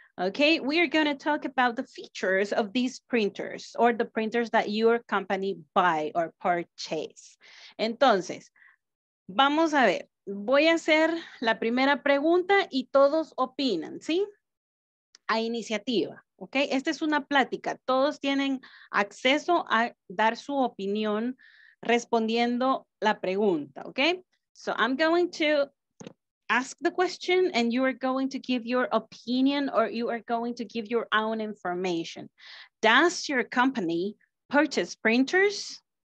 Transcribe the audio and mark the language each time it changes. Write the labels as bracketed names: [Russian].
[English] Ok, we are going to talk about the features of these printers or the printers that your company buy or purchase. [Spanish] Entonces, vamos a ver, voy a hacer la primera pregunta y todos opinan, ¿sí? A iniciativa, ¿ok? Esta es una plática. Todos tienen acceso a dar su opinión respondiendo la pregunta, ¿ok? [English] So I'm going to ask the question and you are going to give your opinion or you are going to give your own information. Does your company purchase printers?